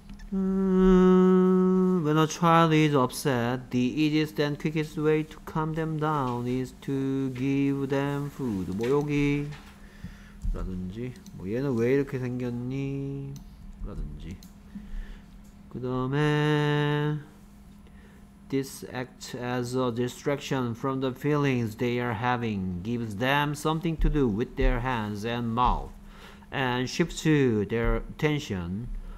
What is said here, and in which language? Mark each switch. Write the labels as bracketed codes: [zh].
[en] When a child is upset, the easiest and quickest way to calm them down is to give them food. [ko] 뭐 여기 라든지 뭐 얘는 왜 이렇게 생겼니? 라든지 그 다음에 [en] This act as a distraction from the feelings they are having gives them something to do with their hands and mouth and shifts their attention